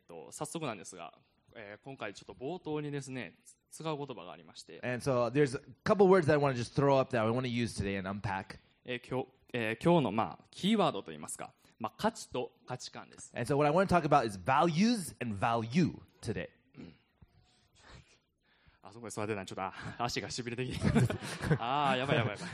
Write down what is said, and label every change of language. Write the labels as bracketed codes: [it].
[ja] 早速なんですが、今回ちょっと冒頭にですね、使う言葉がありまして。 [en] And so there's a couple words that I want to just throw up that I want to use today and unpack. [ja] 今日のまあキーワードといいますか、まあ価値と価値観です。 [en] And so what I want to talk about is values and value today. [ja] あそこに座ってたちょっと足がしびれてきてああやばいやばいやばい